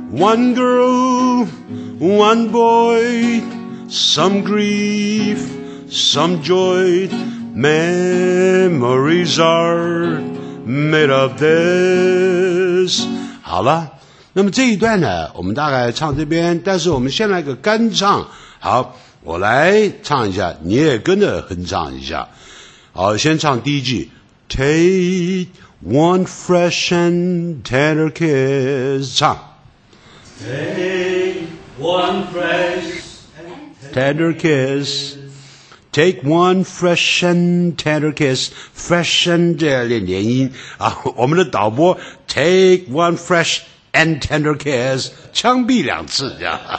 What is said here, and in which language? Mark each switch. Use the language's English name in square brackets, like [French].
[English] One girl, one boy, some grief, some joy, memories are made of this. [Chinese] 好了，那么这一段呢，我们大概唱这边，但是我们先来个干唱。好，我来唱一下，你也跟着哼唱一下。好，先唱第一句。 [English] Take one fresh and tender kiss. [Chinese] 唱。 [English] Take one fresh and tender kiss. Take one fresh and tender kiss. Fresh and [Chinese] 练连音啊，我们的导播 [English] take one fresh and tender kiss [Chinese] 枪毙两次，这样。